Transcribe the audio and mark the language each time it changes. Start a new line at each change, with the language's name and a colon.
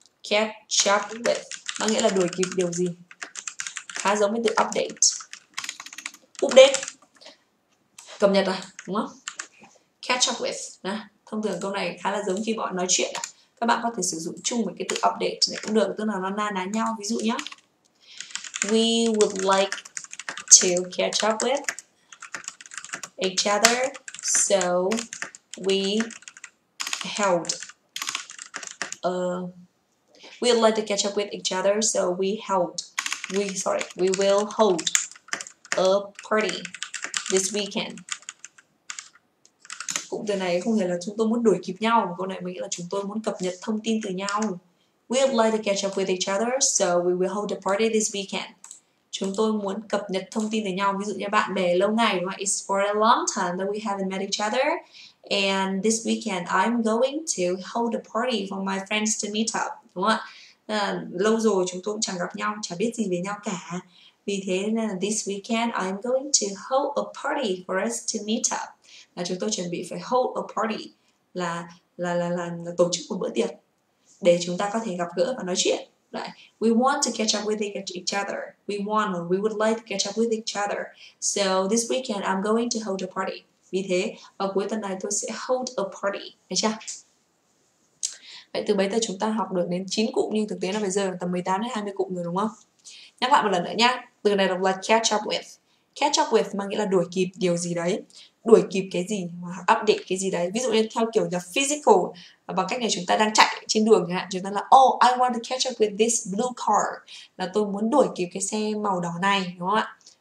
Vietnamese: Catch up with nó nghĩa là đuổi kịp điều gì. Khá giống với từ update. update, cập nhật à, đúng không? Catch up with, nè. Thông thường câu này khá là giống khi bọn nói chuyện à. Các bạn có thể sử dụng chung với cái từ update này cũng được, tức là nó na ná nhau. Ví dụ nhé,
English: we would like to catch up with each other, so we held we'd like to catch up with each other, so we held we sorry we will hold a party this weekend.
Vietnamese: Cụm từ này không phải là chúng tôi muốn đuổi kịp nhau, mà câu này mới nghĩa là chúng tôi muốn cập nhật thông tin từ nhau.
English: We'd like to catch up with each other, so we will hold a party this weekend.
Vietnamese: Chúng tôi muốn cập nhật thông tin từ nhau. Ví dụ như bạn bè lâu ngày, đúng không?
English: It's for a long time that we haven't met each other, and this weekend I'm going to hold a party for my friends to meet up.
Vietnamese: Đúng không ạ? Lâu rồi chúng tôi cũng chẳng gặp nhau, chẳng biết gì về nhau cả. Vì thế nên
English: this weekend I'm going to hold a party for us to meet up.
Vietnamese: Là chúng tôi chuẩn bị phải
English: hold a party,
Vietnamese: là tổ chức một bữa tiệc để chúng ta có thể gặp gỡ và nói chuyện.
English: We want to catch up with each other. We want or we would like to catch up with each other. So this weekend I'm going to hold a party.
Vietnamese: Vì thế vào cuối tuần này tôi sẽ
English: hold a party.
Vietnamese: Được chưa? Vậy từ bây giờ chúng ta học được đến 9 cụm, nhưng thực tế là bây giờ tầm 18 đến 20 cụm rồi, đúng không? Nhắc lại một lần nữa nha. Từ này đọc là catch up with. Catch up with mang nghĩa là đuổi kịp điều gì đấy, đuổi kịp cái gì, update cái gì đấy. Ví dụ như theo kiểu là physical, bằng cách này chúng ta đang chạy trên đường chẳng hạn, chúng ta là
English: oh I want to catch up with this blue car,
Vietnamese: là tôi muốn đuổi kịp cái xe màu đỏ này, đúng không ạ?